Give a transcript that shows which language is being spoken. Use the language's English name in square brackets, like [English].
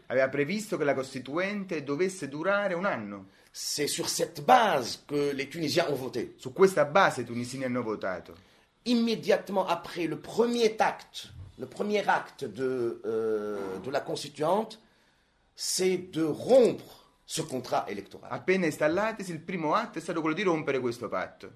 [Italian] Aveva previsto che la costituente dovesse durare un anno. [French] C'est sur cette base que les Tunisiens ont voté. [Italian] Su questa base i tunisini hanno votato. [French] Immédiatement après le premier acte de la constituante, c'est de rompre ce contrat électoral. [Italian] Appena installatesi, il primo atto è stato quello di rompere questo patto.